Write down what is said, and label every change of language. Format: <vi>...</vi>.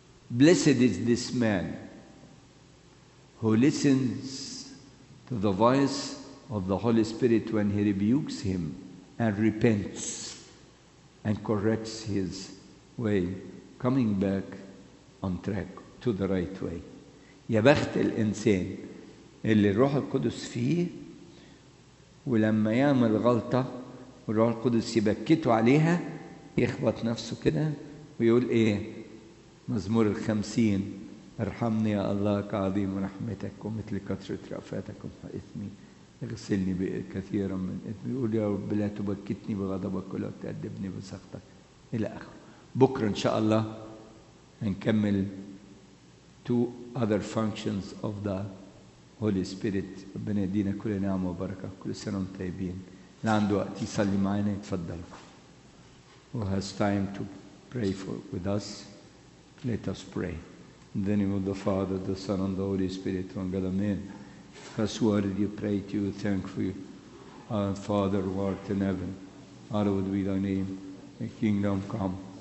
<en>Blessed is this man who listens to the voice of the Holy Spirit when he rebukes him and repents and corrects his way, coming back on track to the right way.</en> <ar>يا بخت الإنسان اللي الروح القدس فيه، ولما يعمل غلطة والروح القدس يبكته عليها يخبط نفسه كده ويقول إيه؟ مزمور 50، ارحمني يا الله كعظيم رحمتك ومثل كثرة رأفاتك إثمي، اغسلني كثيرا من إثمي، يقول يا رب لا تبكتني بغضبك ولا تأدبني بسخطك إلى آخره. بكرة إن شاء الله نكمل</ar> <en>two other functions of the Holy Spirit.</en> <ar>ربنا يدينا كل نعمة وبركة، كل سنة وانتم طيبين. اللي عنده وقت يصلي معانا يتفضل.</ar> <en>Who has time to pray with us, let us pray. In the name of the Father, the Son, and the Holy Spirit, one God, Amen. Because word you pray to you, thank you, our Father who art in heaven, hallowed be thy name, thy kingdom come.</en>